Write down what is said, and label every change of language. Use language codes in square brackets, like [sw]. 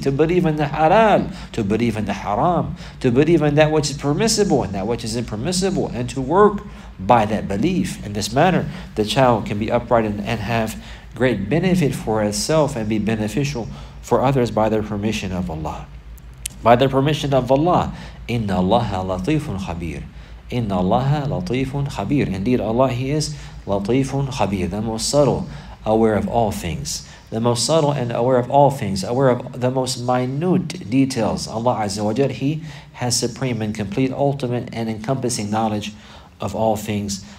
[en] To believe in the halal. To believe in the haram. To believe in that which is permissible and that which is impermissible. And to work by that belief. In this manner, the child can be upright and have great benefit for itself and be beneficial for others by the permission of Allah. By the permission of Allah, [ar] إِنَّ اللَّهَ لَطِيفٌ خَبِيرٌ إِنَّ اللَّهَ لَطِيفٌ خَبِيرٌ. [en] Indeed, Allah, He is [ar] لَطِيفٌ خَبِيرٌ, [en] the most subtle, aware of all things. The most subtle and aware of all things, aware of the most minute details. Allah Azza wa Jal, He has supreme and complete, ultimate and encompassing knowledge of all things.